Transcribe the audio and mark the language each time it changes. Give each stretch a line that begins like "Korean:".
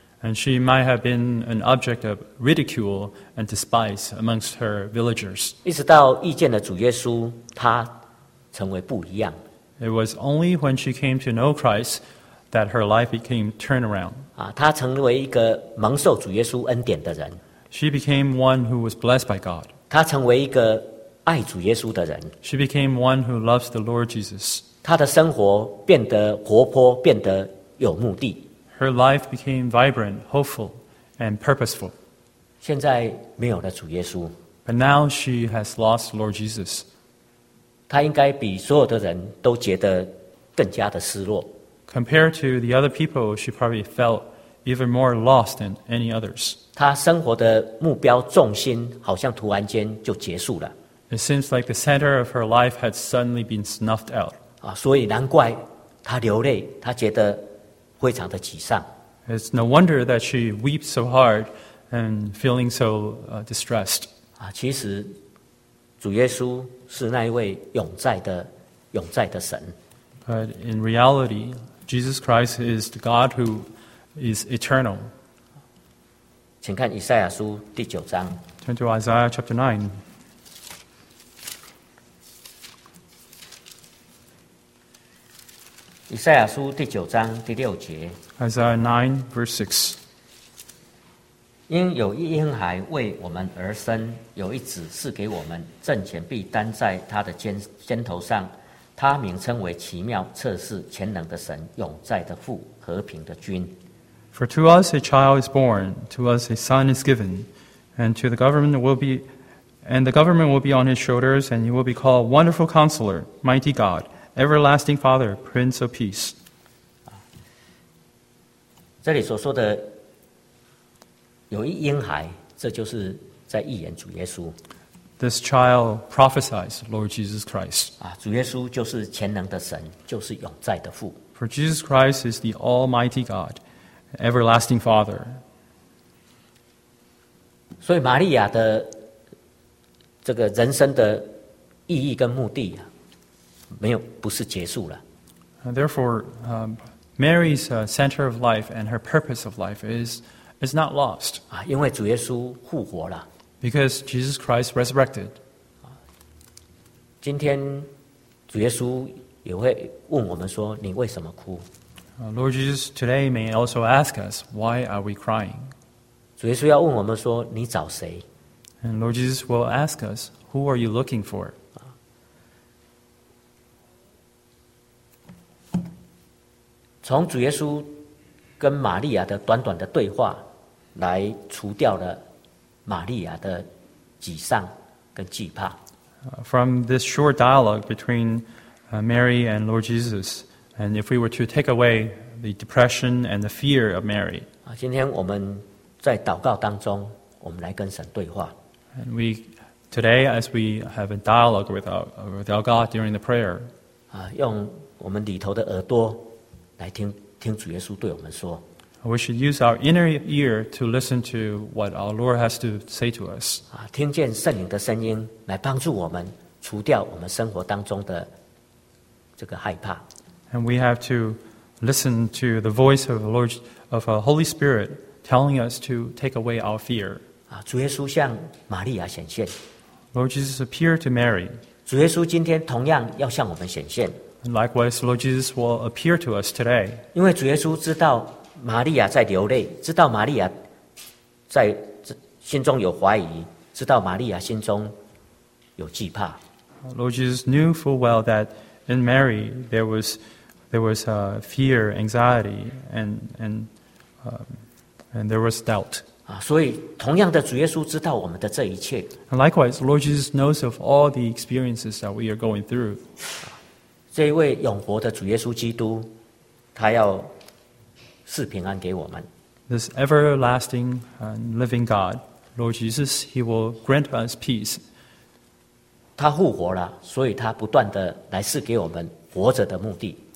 English: And she might have been an object of ridicule and despise amongst her villagers.
Chinese: 一直到遇见了主耶稣，她成为不一样。
English: It was only when she came to know Christ that her life became turned around.
Chinese: 她成为一个蒙受主耶稣恩典的人。
English: She became one who was blessed by God.
Chinese: 她成为一个爱主耶稣的人。
English: She became one who loves the Lord Jesus.
Chinese: 她的生活变得活泼，变得有目的。
English: Her life became vibrant, hopeful, and purposeful.
Chinese: 现在没有了主耶稣。
English: But now she has lost Lord Jesus.
Chinese: 她应该比所有的人都觉得更加的失落。
English: Compared to the other people, she probably felt even more lost than any others.
Chinese: 她生活的目标重心好像突然间就结束了。
English: It seems like the center of her life had suddenly been snuffed out.
Chinese: 所以难怪她流泪，她觉得非常的沮丧。
English: It's no wonder that she weeps so hard and feeling so distressed.
Chinese: 其实主耶稣是那一位永在的神。
English: But in reality, Jesus Christ is the God who is eternal.
Chinese: 请看以赛亚书第九章。
English: Turn to Isaiah chapter 9.
Chinese: 以赛亚书第九章第六节。
English: Isaiah 9, verse 6.
Chinese: 因有一婴孩为我们而生，有一子赐给我们，政权必担在他的肩头上。他名称为奇妙、测试、全能的神、永在的父、和平的君。
English: For to us a child is born, to us a son is given, and to the government will be, and the government will be on his shoulders, and he will be called Wonderful Counselor, Mighty God, Everlasting Father, Prince of Peace.
Chinese: 这里所说的有一婴孩，这就是在预言主耶稣。
English: This child prophesies Lord Jesus Christ.
Chinese: 主耶稣就是全能的神，就是永在的父。
English: For Jesus Christ is the Almighty God, Everlasting Father.
Chinese: 所以玛利亚的这个人生的意义跟目的不是结束了。
English: Therefore, Mary's center of life and her purpose of life is not lost.
Chinese: 因为主耶稣复活了。
English: Because Jesus Christ resurrected.
Chinese: 今天主耶稣也会问我们说，你为什么哭？
English: Lord Jesus today may also ask us, why are we crying?
Chinese: 主耶稣要问我们说，你找谁？
English: And Lord Jesus will ask us, who are you looking for?
Chinese: 从主耶稣跟玛利亚的短短的对话来除掉了玛利亚的沮丧跟惧怕。
English: From this short dialogue between Mary and Lord Jesus, and if we were to take away the depression and the fear of Mary,
Chinese: 今天我们在祷告当中，我们来跟神对话。
English: And we today, as we have a dialogue with our God during the prayer,
Chinese: 用我们里头的耳朵来听主耶稣对我们说。
English: We should use our inner ear to listen to what our Lord has to say to us.
Chinese: 听见圣灵的声音，来帮助我们除掉我们生活当中的这个害怕。
English: And we have to listen to the voice of the Lord of a Holy Spirit telling us to take away our fear.
Chinese: 主耶稣向玛利亚显现。
English: Lord Jesus appeared to Mary.
Chinese: 主耶稣今天同样要向我们显现。
English: And likewise, Lord Jesus will appear to us today.
Chinese: 因为主耶稣知道。玛利亚在流泪，知道玛利亚在心中有怀疑，知道玛利亚心中有惧怕。
English: Lord Jesus knew full well that in Mary there was fear, anxiety, and there was doubt.
Chinese: 所以同样的，主耶稣知道我们的这一切。
English: And likewise, Lord Jesus knows of all the experiences that we are going through.
Chinese: 这一位永活的主耶稣基督，他要赐平安给我们。
English: This everlasting and living God, Lord Jesus, He will grant us peace.
Chinese: 他复活了，所以他不断的来赐给我们活着的目的。